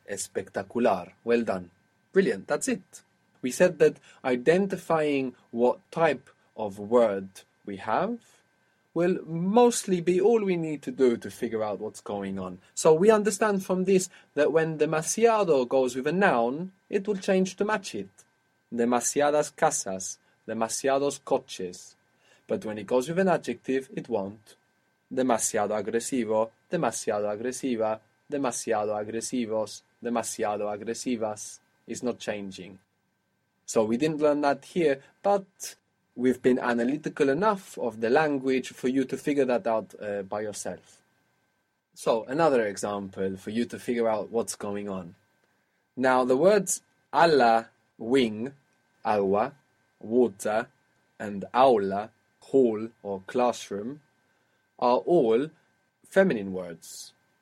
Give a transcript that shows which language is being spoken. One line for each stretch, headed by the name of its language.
Spanish: Espectacular.
English: Well done. Brilliant. That's it. We said that identifying what type of word we have will mostly be all we need to do to figure out what's going on. So we understand from this that when demasiado goes with a noun, it will change to match it.
Spanish: Demasiadas casas, demasiados coches.
English: But when it goes with an adjective, it won't.
Spanish: Demasiado agresivo, demasiado agresiva, demasiado agresivos, demasiado agresivas.
English: It's not changing. So we didn't learn that here, but we've been analytical enough of the language for you to figure that out by yourself. So another example for you to figure out what's going on. Now the words ala, wing, agua, water, and aula, hall or classroom, are all feminine words.